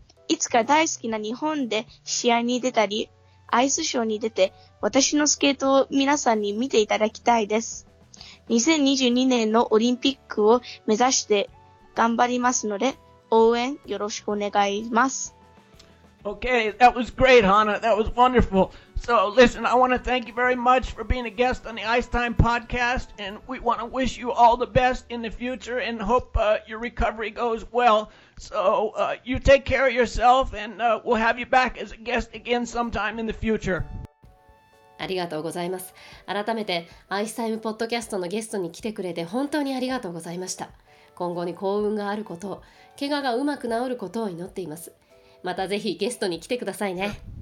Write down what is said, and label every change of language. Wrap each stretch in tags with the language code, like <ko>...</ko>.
<ja>いつか大好きな日本で試合に出たり、アイスショーに出て私のスケートを皆さんに見ていただきたいです。 2022年のオリンピックを目指して頑張りますので、応援よろしくお願いします。</ja> <en>Okay, that was great, Hana. That was wonderful. So, listen, I want to thank you very much for being a guest on the Ice Time podcast, and we want to wish you all the best in the future and hope your recovery goes well. So, you take care of yourself, and we'll have you back as a guest again sometime in the future.</en> <ja>ありがとうございます。改めて、Ice Time podcast のゲストに来てくれて本当にありがとうございました。今後に幸運があること、怪我がうまく治ることを祈っています。またぜひゲストに来てくださいね。</ja>